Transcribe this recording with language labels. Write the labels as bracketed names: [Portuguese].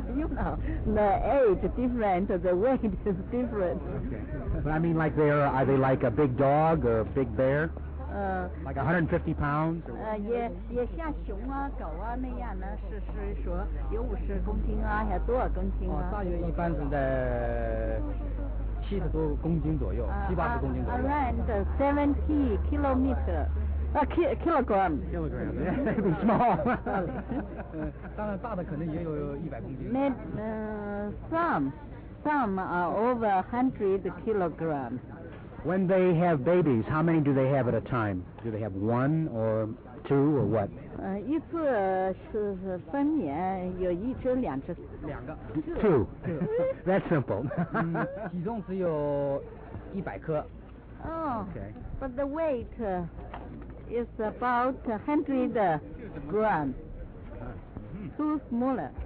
[English] You know, the age different, the weight is different. Okay. But I mean, like, are they like a big dog or a big bear? Like 150 pounds? [Chinese] 也像熊啊、狗啊那样呢，是说有50公斤啊，还多少公斤啊？大约一般是在70多公斤左右，70-80公斤左右。 [English] Around 70 kilometers. A kilogram. Yeah, very small. [Chinese] 当然大的可能也有100公斤。 [English] Some are over 100 kilograms. When they have babies, how many do they have at a time? Do they have one or two or what? [Chinese] 一次是分娩，有一只两只。两个。 [English] Two. That's simple. [Chinese] 体重只有100克。 [English] Okay. But the weight. It's about 100 grams. Too small.